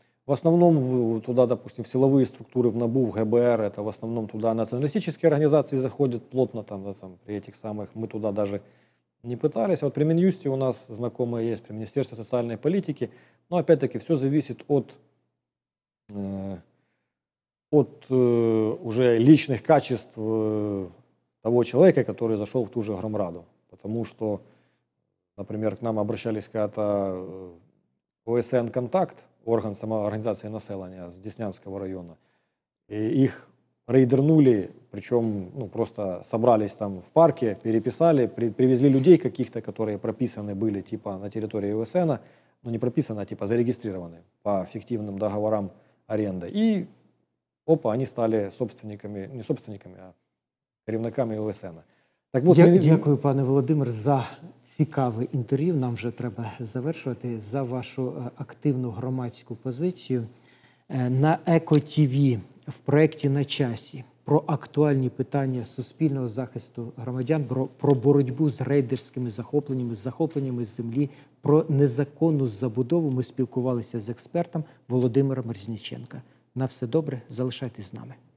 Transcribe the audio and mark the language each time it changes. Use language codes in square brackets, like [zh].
[uk] В основному туди, допустимо, в силові структури, в НАБУ, в ГБР, це в основному туди націоналістичні організації заходять плотно, там, да, там, при цих самих, ми туди навіть не питалися. От при Мін'юсті у нас знайомі є, при Міністерстві соціальної політики. Ну, опять-таки, все залежить від уже лічних качеств того чоловіка, який зайшов в ту же громраду. Тому що [ru] например, к нам обращались когда-то ОСН «Контакт», орган самоорганизации населения с Деснянского района. И их рейдернули, причем ну, просто собрались там в парке, переписали, привезли людей каких-то, которые прописаны были типа на территории ОСН, ну не прописаны, а типа зарегистрированы по фиктивным договорам аренды. И опа, они стали собственниками, не собственниками, а керівниками ОСН. [uk] Так вот, дякую, пане Володимир, за цікаве інтерв'ю. Нам вже треба завершувати за вашу активну громадську позицію. На ЕКО-ТІВІ в проєкті «На часі» про актуальні питання суспільного захисту громадян, про боротьбу з рейдерськими захопленнями, захопленнями землі, про незаконну забудову ми спілкувалися з експертом Володимиром Різніченка. На все добре, залишайтесь з нами.